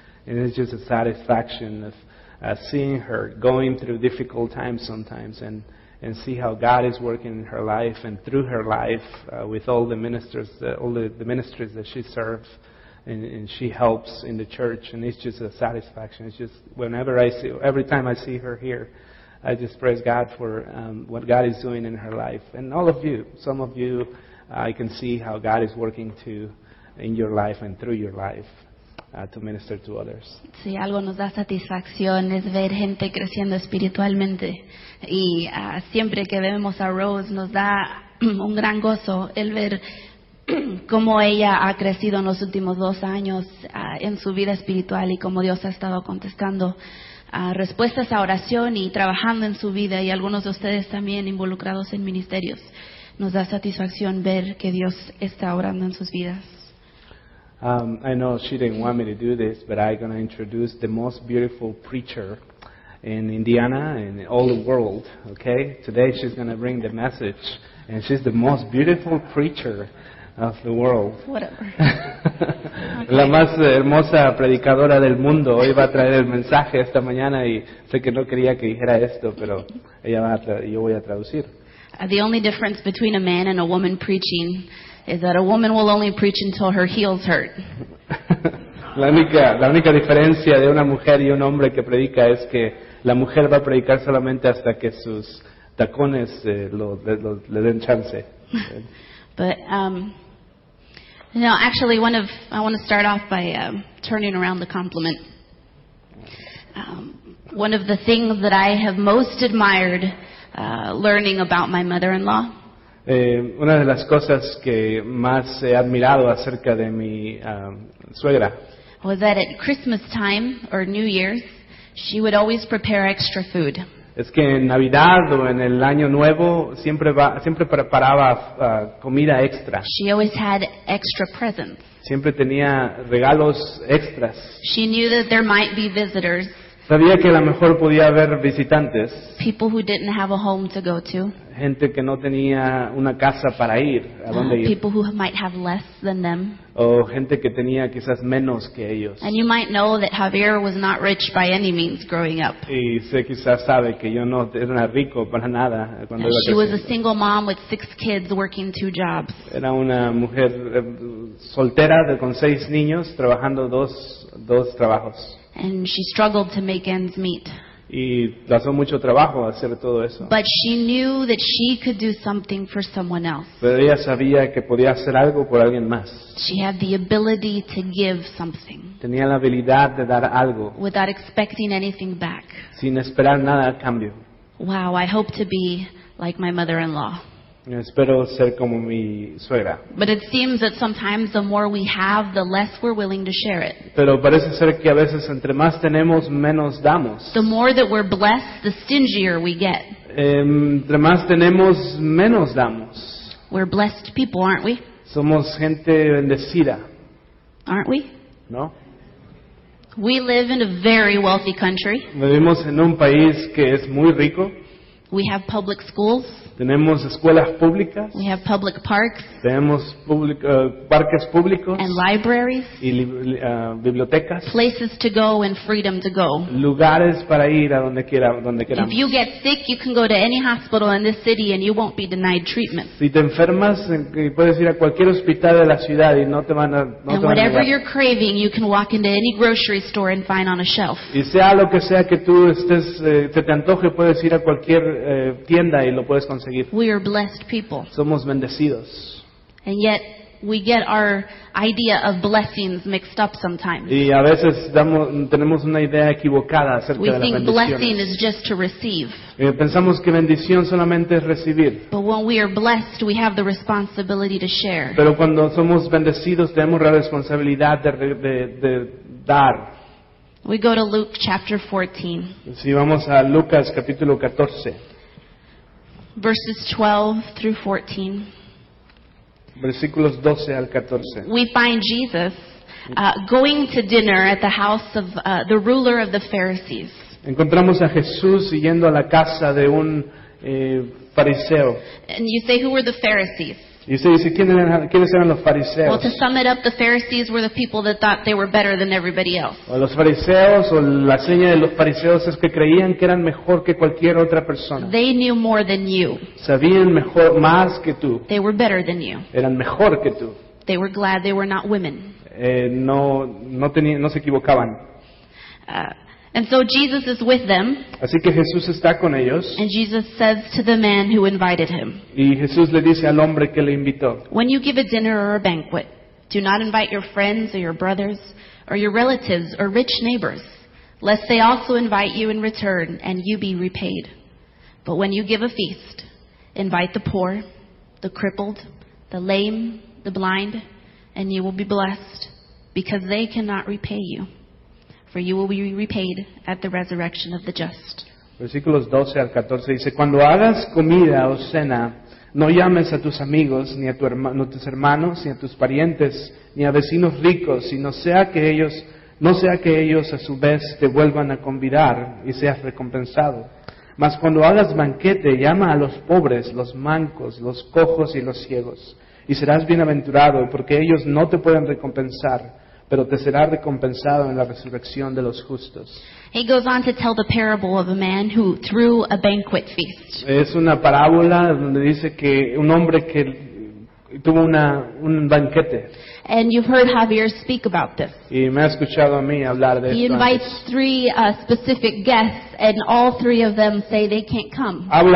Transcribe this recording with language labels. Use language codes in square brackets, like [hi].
[en] And it's just a satisfaction of seeing her going through difficult times sometimes and see how God is working in her life and through her life with all the ministers, all the ministries that she serves and she helps in the church. And it's just a satisfaction. It's just whenever I see, every time I see her here, I just praise God for what God is doing in her life. And all of you, some of you, I can see how God is working too in your life and through your life. To minister to others. [es] Sí, algo nos da satisfacción es ver gente creciendo espiritualmente. Y siempre que vemos a Rose nos da un gran gozo el ver cómo ella ha crecido en los últimos 2 años en su vida espiritual y cómo Dios ha estado contestando respuestas a oración y trabajando en su vida y algunos de ustedes también involucrados en ministerios. Nos da satisfacción ver que Dios está obrando en sus vidas. [en] I know she didn't want me to do this, but I'm going to introduce the most beautiful preacher in Indiana and all the world, okay? Today she's going to bring the message, and she's the most beautiful preacher of the world. Whatever. [es] La más hermosa predicadora del mundo. Hoy va a traer el mensaje esta mañana, y sé que no quería que dijera esto, pero ella va a yo voy a traducir. [en] The only difference between a man and a woman preaching is that a woman will only preach until her heels hurt. [es] La única diferencia de una mujer y un hombre que predica es que la mujer va a predicar solamente hasta que sus tacones le den chance. [en] But no, actually, I want to start off by turning around the compliment. One of the things that I have most admired learning about my mother-in-law. [es] Una de las cosas que más he admirado acerca de mi suegra [en] was that at Christmas time or New Year's, she would always prepare extra food. [es] Es que en Navidad o en el Año Nuevo siempre preparaba comida extra. [en] She always had extra presents. [es] Siempre tenía regalos extras. [en] She knew that there might be visitors. [es] Sabía que a lo mejor podía haber visitantes. [en] People who didn't have a home to go to. [es] Gente que no tenía una casa para ir, ¿a dónde ir? [en] People who might have less than them. [es] O gente que tenía quizás menos que ellos. [en] And you might know that Javier was not rich by any means growing up. [es] Y se quizás sabe que yo no era rico para nada cuando iba creciendo. [en] She was a single mom with 6 kids working 2 jobs. [es] Era una mujer soltera con 6 niños trabajando dos trabajos. [en] And she struggled to make ends meet. [es] Y pasó mucho trabajo hacer todo eso. [en] But she knew that she could do something for someone else. [es] Pero ella sabía que podía hacer algo por alguien más. [en] She had the ability to give something. [es] Tenía la habilidad de dar algo. [en] Without expecting anything back. [es] Sin esperar nada a cambio. [en] Wow, I hope to be like my mother-in-law. [es] Espero ser como mi suegra. [en] But it seems that sometimes the more we have, the less we're willing to share it. [es] Pero parece ser que a veces entre más tenemos, menos damos. [en] The more that we're blessed, the stingier we get. [es] Entre más tenemos, menos damos. [en] We're blessed people, aren't we? [es] Somos gente bendecida. [en] Aren't we? [es] No. [en] We live in a very wealthy country. [es] Vivimos en un país que es muy rico. [en] We have public schools. [es] Tenemos escuelas públicas. [en] We have public parks. [es] Tenemos parques públicos. [en] And libraries. [es] Y bibliotecas. [en] Places to go and freedom to go. [es] Lugares para ir a donde quiera, donde queramos. [en] If you get sick, you can go to any hospital in this city and you won't be denied treatment. [es] Si te enfermas, puedes ir a cualquier hospital de la ciudad y no te van a no [en] And [es] te van [en] whatever [es] a negar. [en] You're craving, you can walk into any grocery store and find on a shelf. [es] Y sea lo que sea que tú estés te antoje, puedes ir a cualquier tienda y lo puedes conseguir. [en] We are blessed people. [es] Somos bendecidos. [en] And yet we get our idea of blessings mixed up sometimes. [es] Y a veces tenemos una idea equivocada acerca de la bendición. [en] We think blessing is just to receive. [es] Pensamos que bendición solamente es recibir. [en] But when we are blessed, we have the responsibility to share. [es] Pero cuando somos bendecidos, tenemos la responsabilidad de dar. [en] We go to Luke chapter 14. [es] Si vamos a Lucas capítulo 14. [en] Verses 12 through 14. [es] Versículos 12 al 14. [en] We find Jesus going to dinner at the house of the ruler of the Pharisees. [es] Encontramos a Jesús yendo a la casa de un fariseo. [en] And you say, who were the Pharisees? You say, [es] ¿quiénes eran los fariseos? [en] Well, to sum it up, the Pharisees were the people that thought they were better than everybody else. [es] O los fariseos, o la seña de los fariseos es que creían que eran mejor que cualquier otra persona. [en] They knew more than you. [es] Sabían mejor, más que tú. [en] They were better than you. [es] Eran mejor que tú. [en] They were glad they were not women. [es] No se equivocaban. [en] And so Jesus is with them. [es] Así que Jesús está con ellos. [en] And Jesus says to the man who invited him. [es] Y Jesús le dice al hombre que le invitó. [en] When you give a dinner or a banquet, do not invite your friends or your brothers or your relatives or rich neighbors, lest they also invite you in return and you be repaid. But when you give a feast, invite the poor, the crippled, the lame, the blind, and you will be blessed, because they cannot repay you. For you will be repaid at the resurrection of the just. [es] Versículos 12 al 14 dice, cuando hagas comida o cena, no llames a tus amigos, ni a tus hermanos, ni a tus parientes, ni a vecinos ricos, sino sea que ellos, no sea que ellos a su vez te vuelvan a convidar y seas recompensado. Mas cuando hagas banquete, llama a los pobres, los mancos, los cojos y los ciegos, y serás bienaventurado, porque ellos no te pueden recompensar, pero te será recompensado en la resurrección de los justos. [en] He goes on to tell the parable of a man who threw a banquet feast. [es] Es una parábola donde dice que un hombre que tuvo un banquete. [en] And you've heard Javier speak about this. [es] Y me ha escuchado a mí hablar de esto. [en] He invites three specific guests, and all three of them say they can't come.